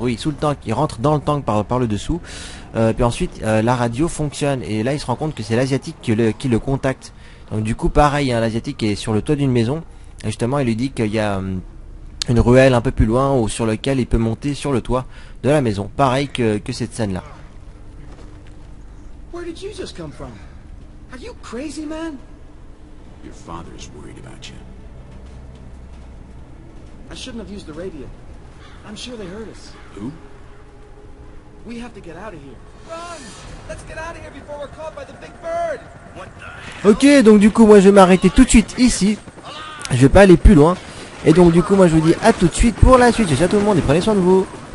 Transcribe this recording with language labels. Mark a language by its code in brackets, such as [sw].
[fr] Oui, sous le tank, il rentre dans le tank par le dessous. Puis ensuite, la radio fonctionne et là, il se rend compte que c'est l'Asiatique qui le contacte. Donc du coup pareil, hein, l'Asiatique est sur le toit d'une maison et justement il lui dit qu'il y a une ruelle un peu plus loin ou sur lequel il peut monter sur le toit de la maison. Pareil que cette scène là. [en] Where did you just come from? Are you crazy, man? Your father's worried about you. I shouldn't have used the radio. I'm sure they heard us. Who? We have to get out of here. Run! Let's get out of here before we're caught by the big bird! What the hell? [fr] Ok, donc du coup, moi je vais m'arrêter tout de suite ici. Je vais pas aller plus loin. Et donc du coup, moi je vous dis à tout de suite pour la suite. Ciao tout le monde et prenez soin de vous.